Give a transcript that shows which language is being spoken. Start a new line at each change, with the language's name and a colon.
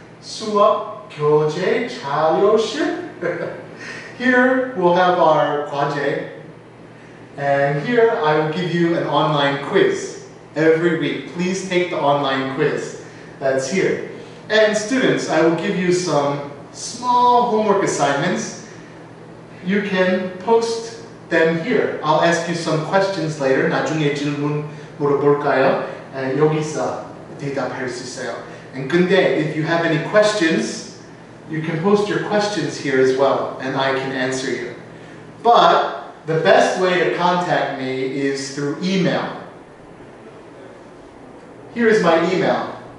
Korean: 수업, 교재, 자료실.
English: Here we'll have our 과제. And here I will give you an online quiz every week. Please take the online quiz. That's here. And students, I will give you some small homework assignments. You can post them here. I'll ask you some questions later.
Korean: 나중에 질문 물어볼까요? 여기서 대답할 수 있어요.
English: And 근데, if you have any questions, you can post your questions here as well, and I can answer you. But the best way to contact me is through email. Here is my email.